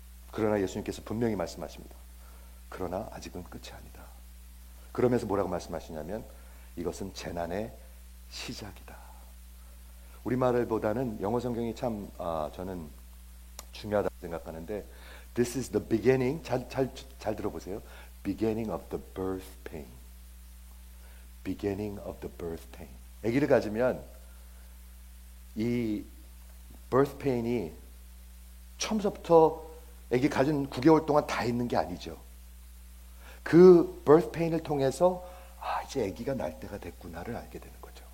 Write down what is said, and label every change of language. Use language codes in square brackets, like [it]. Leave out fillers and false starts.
[ko] 그러나 예수님께서 분명히 말씀하십니다. 그러나 아직은 끝이 아니다. 그러면서 뭐라고 말씀하시냐면 이것은 재난의 시작이다. 우리말보다는 영어 성경이 참 저는 중요하다고 생각하는데 [en] This is the beginning. [ko] 잘 들어보세요. [en] Beginning of the birth pain. Beginning of the birth pain. [ko] 아기를 가지면 이 birth pain이 처음부터 아기 가진 9개월 동안 다 있는 게 아니죠. 그 birth pain을 통해서 아 이제 아기가 날 때가 됐구나를 알게 되는 거예요.